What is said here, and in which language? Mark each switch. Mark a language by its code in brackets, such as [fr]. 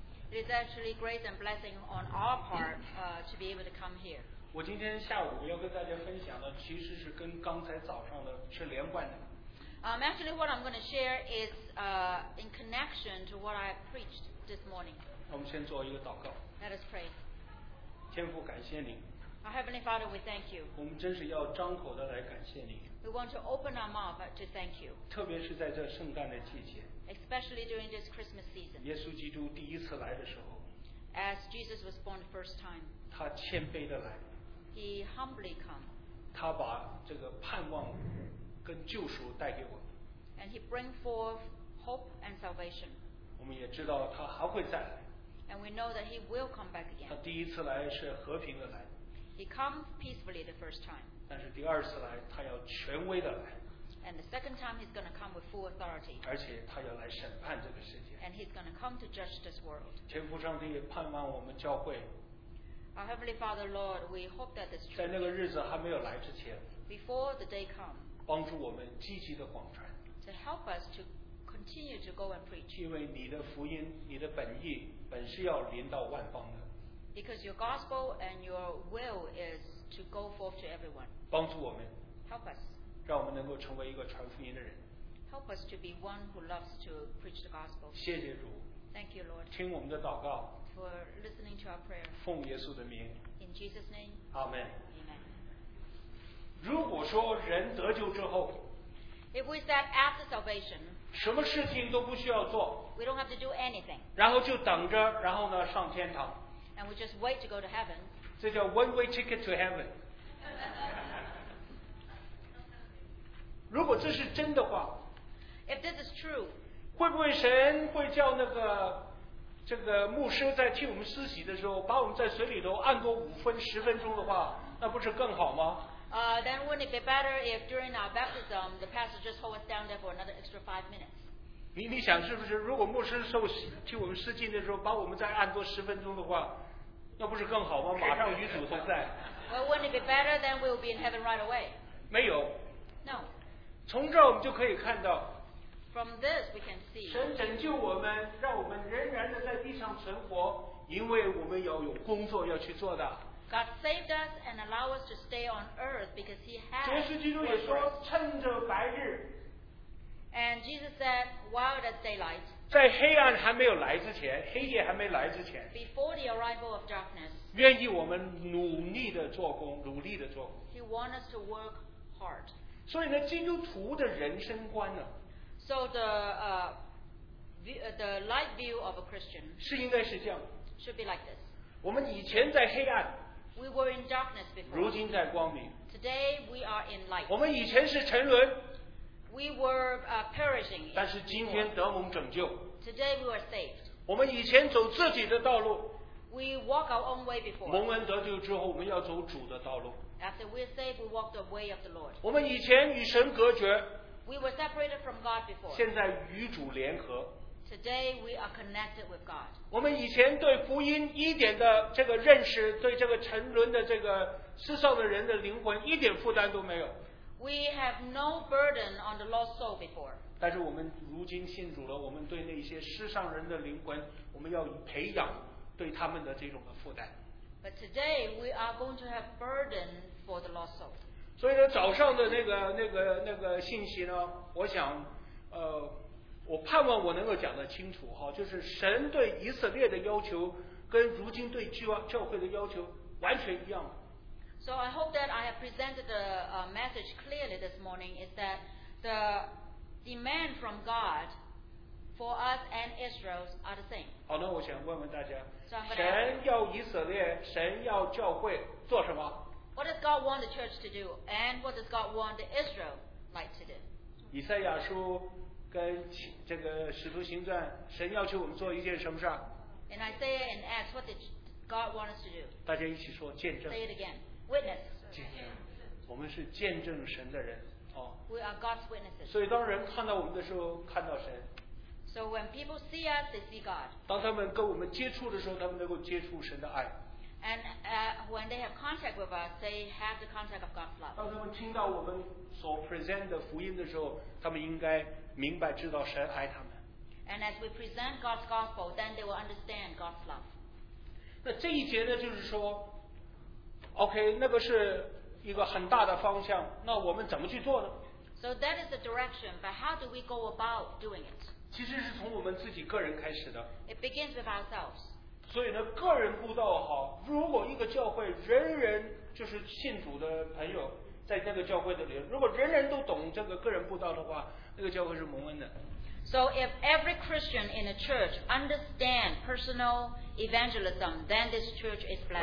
[en] It is actually grace and blessing on our part to be able to come here. [zh] 我今天下午要跟大家分享的其实是跟刚才早上的是连贯的。 [en] Actually, what I'm going to share is in connection to what I preached this morning. [zh] 我们先做一个祷告。 [en] Let us pray. [zh] 天父，感谢您。 [en] Our Heavenly Father, we thank you. [zh] 我们真是要张口的来感谢您。 [en] We want to open our mouth to thank you. [zh] 特别是在这圣诞的季节。 [en] Especially during this Christmas season. [zh] 耶稣基督第一次来的时候。 [en] As Jesus was born the first time. [zh] 他谦卑的来。 [en] He humbly come. [zh] 他把这个盼望跟救赎带给我们。 [en] And he bring forth hope and salvation. [zh] 我们也知道他还会再来。 [en] And we know that he will come back again. [zh] 他第一次来是和平的来。 [en] He comes peacefully the first time. [zh] 但是第二次来，他要权威的来。 [en] And the second time, he's going to come with full authority. [zh] 而且他要来审判这个世界。 [en] And he's going to come to judge this world. [zh] 天父上帝也盼望我们教会。 [en] Our Heavenly Father, Lord, we hope that this church. [zh] 在那个日子还没有来之前。 [en] Before the day comes. [zh] 帮助我们积极的广传。 [en] To help us to continue to go and preach. [zh] 因为你的福音，你的本意，本是要临到万邦的。 [en] Because your gospel and your will is to go forth to everyone. [zh] 帮助我们。 [en] Help us. [zh] 让我们能够成为一个传福音的人。 [en] Help us to be one who loves to preach the gospel. [zh] 谢谢主。 [en] Thank you, Lord. [zh] 听我们的祷告。 [en] For listening to our prayer. [zh] 奉耶稣的名。 [en] In Jesus' name. Amen. Amen. [zh] 如果说人得救之后。 [en] If we said after salvation. [zh] 什么事情都不需要做。 [en] We don't have to do anything. [zh] 然后就等着，然后呢，上天堂。 [en] And we just wait to go to heaven. [zh] 这叫 [en] one-way ticket to heaven. [zh] 如果这是真的话， [en] If this is true, [zh] 会不会神会叫那个这个牧师在替我们施洗的时候，把我们在水里头按多五分十分钟的话，那不是更好吗？ [en] Then wouldn't it be better if during our baptism the pastor just hold us down there for another extra 5 minutes? [zh] 你想是不是，如果牧师受洗替我们施浸的时候，把我们再按多十分钟的话？那不是更好吗？马上与主同在。 [en] Well, wouldn't it be better than we'll be in heaven right away? [zh] 没有。 [en] No. [zh] 从这我们就可以看到。 [en] From this we can see. [zh] 神拯救我们，让我们仍然的在地上存活，因为我们要有工作要去做的。 [en] God saved us and allow us to stay on earth because He has. [zh] 耶稣基督也说，趁着白日。 [en] And Jesus said, while it's daylight. [zh] 在黑暗还没有来之前，黑夜还没来之前。 [en] Before the arrival of darkness. [zh] 愿意我们努力的做工，努力的做工。 [en] He wants us to work hard. [zh] 所以呢，基督徒的人生观呢。 [en] So the light view of a Christian. [zh] 是应该是这样。 [en] Should be like this. [zh] 我们以前在黑暗。 [en] We were in darkness before. [zh] 如今在光明。 [en] Today we are in light. [zh] 我们以前是沉沦。 [en] We were perishing. [zh] 但是今天得蒙拯救。 [en] Today we were saved. [zh] 我们以前走自己的道路。 [en] We walk our own way before. [zh] 蒙恩得救之后，我们要走主的道路。 [en] After we are saved, we walk the way of the Lord. [zh] 我们以前与神隔绝。 [en] We were separated from God before. [zh] 现在与主联合。 [en] Today we are connected with God. [zh] 我们以前对福音一点的这个认识，对这个沉沦的这个世上的人的灵魂一点负担都没有。 [en] We have no burden on the lost soul before. [zh] 但是我们如今信主了，我们对那些世上人的灵魂，我们要培养对他们的这种的负担。 [en] But today we are going to have burden for the lost soul. [zh] 所以呢，早上的那个信息呢，我想，我盼望我能够讲得清楚哈，就是神对以色列的要求跟如今对教会的要求完全一样。 [en] So I hope that I have presented the message clearly this morning is that the demand from God for us and Israel are the same. [zh] 好，那我想问问大家， [en] so、 [zh] 神要以色列，神要教会做什么？ [en] What does God want the church to do? And what does God want the Israel like to do? [zh] 以赛亚书跟这个使徒行传，神要求我们做一件什么事？ [en] In Isaiah and Acts, what did God want us to do? [zh] 大家一起说见证。 [en] Say it again. Witness. [zh] 我们是见证神的人、哦、 [en] We are God's witnesses. [zh] 所以当人看到我们的时候，看到神。 [en] So So when people see us, they see God. [zh] 当他们跟我们接触的时候，他们能够接触神的爱。 [en] And when they have contact with us, they have the contact of God's love. [zh] 当他们听到我们所 present 的福音的时候，他们应该明白知道神爱他们。 [en] And as we present God's gospel, then they will understand God's love. [zh] 那这一节呢，就是说 ，OK， 那个是一个很大的方向，那我们怎么去做呢？ [en] So that is the direction, but how do we go about doing it? [zh] 其实是从我们自己个人开始的。 [en] It begins with ourselves. [zh] 所以呢，个人布道好。如果一个教会人人就是信主的朋友，在那个教会的里，如果人人都懂这个个人布道的话，那个教会是蒙恩的。 [en] So if every Christian in a church understand personal evangelism, then this church is blessed.